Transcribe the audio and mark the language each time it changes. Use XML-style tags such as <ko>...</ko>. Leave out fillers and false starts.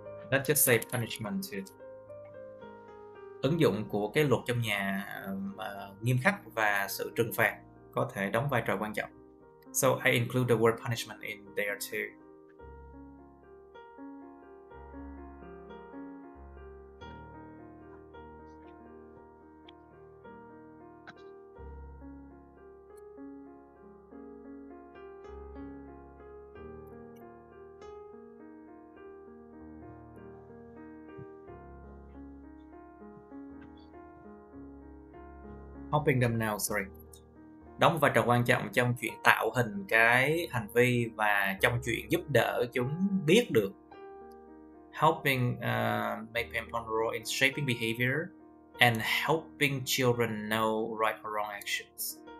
<en>Let's just say punishment too.</en> <vi>Ứng dụng của cái luật trong nhà nghiêm khắc và sự trừng phạt có thể đóng vai trò quan trọng.</vi> <en>So I include the word punishment in there too. helping them now, sorry,</en> <vi>đóng vai trò quan trọng trong chuyện tạo hình cái hành vi và trong chuyện giúp đỡ chúng biết được.</vi> <en>Helping make them vulnerable in shaping behavior and helping children know right or wrong actions.</en>